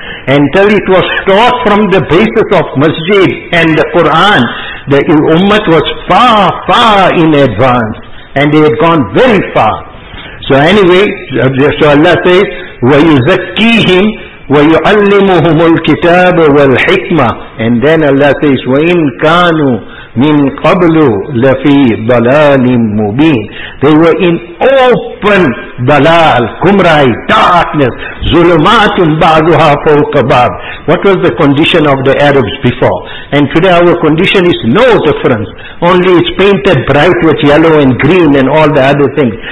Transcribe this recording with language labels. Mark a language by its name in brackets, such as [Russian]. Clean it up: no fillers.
[English] Until it was taught from the basis of masjid and the Quran, the ummah was far, far in advance. And they had gone very far. So anyway, so Allah says, [Arabic] وَيُزَكِّيهِمْ وَيُعَلِّمُهُمُ الْكِتَابُ وَالْحِكْمَةِ. [English] And then Allah says, [Arabic] وَإِنْ كَانُوا مِنْ قَبْلُ لَفِي ضَلَالٍ مُبِينٍ. [English] They were in open dalal, kumrai, darkness, [Arabic] zulumatun ba'duha fawqa ba'd. [English] What was the condition of the Arabs before? And today our condition is no difference. Only it's painted bright with yellow and green and all the other things.